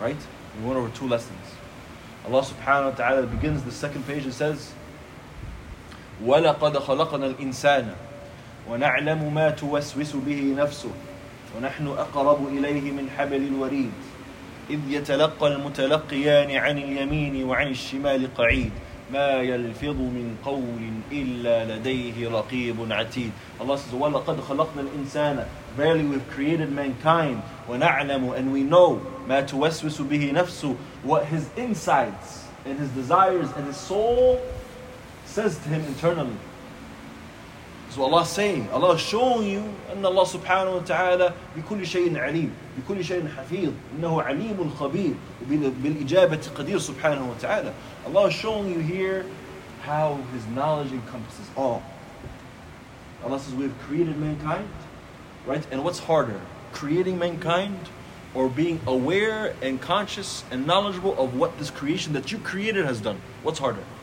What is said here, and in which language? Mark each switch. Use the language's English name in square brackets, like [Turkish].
[English] Right? We went over two lessons. Allah subhanahu wa ta'ala begins the second page and says, [Arabic] وَلَقَدْ خَلَقَنَا الْإِنسَانَ وَنَعْلَمُ مَا تُوَسْوِسُ بِهِ نَفْسُهُ وَنَحْنُ أَقْرَبُ إِلَيْهِ مِنْ حَبْلِ الْوَرِيدِ إِذْ يَتَلَقَّى الْمُتَلَقِّيَانِ عَنِ الْيَمِينِ وَعَنِ الشِّمَالِ قَعِيدٍ مَا يَلْفِظُ مِنْ قَوْلٍ إِلَّا لَدَيْهِ رَقِيبٌ عَتِيدٌ. [English] Allah says, [Arabic] وَلَقَدْ خَلَقْنَا الْإِنسَانَ. [English] Verily we've created mankind. [Arabic] وَنَعْلَمُ. [English] And we know. [Arabic] مَا تُوَسْوِسُ بِهِ نَفْسُ. [English] What his insides and his desires and his soul says to him internally. So Allah is saying, Allah is showing you [Arabic] أن الله سبحانه وتعالى بكل شيء عليم بكل شيء حفيظ إنه عليم خبير بالإجابة قدير سبحانه وتعالى. [English] Allah is showing you here how His knowledge encompasses all. Allah says, we've created mankind, right? And what's harder, creating mankind or being aware and conscious and knowledgeable of what this creation that you created has done? What's harder?